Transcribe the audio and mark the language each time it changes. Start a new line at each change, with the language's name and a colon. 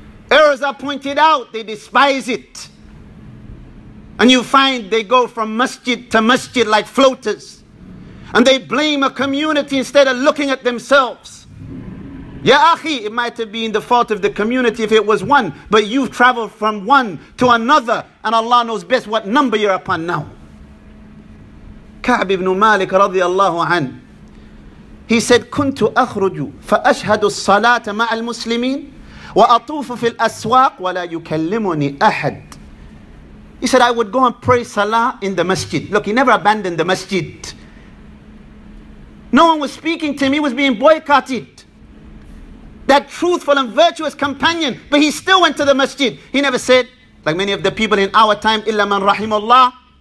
English: Errors are pointed out, they despise it. And you find they go from masjid to masjid like floaters. And they blame a community instead of looking at themselves. Ya akhi, it might have been the fault of the community if it was one, but you've traveled from one to another, and Allah knows best what number you're upon now.
Arabic: Ka'b ibn Malik radiallahu an,
English: he said,
Arabic: كنت أخرج فأشهد الصلاة مع المسلمين وأطوف في الأسواق ولا يكلمني أحد.
English: He said, I would go and pray salah in the masjid. Look, he never abandoned the masjid. No one was speaking to him, he was being boycotted. That truthful and virtuous companion, but he still went to the masjid. He never said, like many of the people in our time, illa man rahimullah.